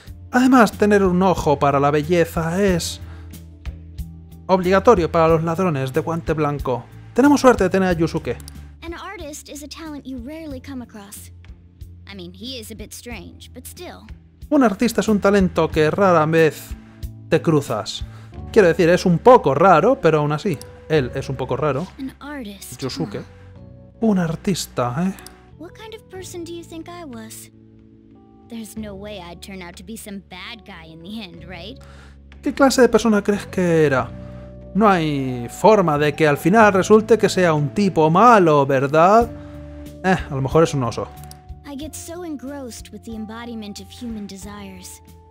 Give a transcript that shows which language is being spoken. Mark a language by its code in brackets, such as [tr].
[es] Además, tener un ojo para la belleza es... obligatorio para los ladrones de guante blanco. Tenemos suerte de tener a Yusuke. Un artista es un talento que [en] rarely come across. I mean, he is a bit strange, but still. [es] Un artista es un talento que rara vez te cruzas. Quiero decir, es un poco raro, pero aún así, él es un poco raro. [en] An artist. [es] Yusuke. Un artista, ¿eh? [en] What kind of person do you think I was? There's no way I'd turn out to be some bad guy in the end, right? [es] ¿Qué clase de persona crees que era? No hay forma de que al final resulte que sea un tipo malo, ¿verdad? A lo mejor es un oso. [en] I get so engrossed with the embodiment of human desires.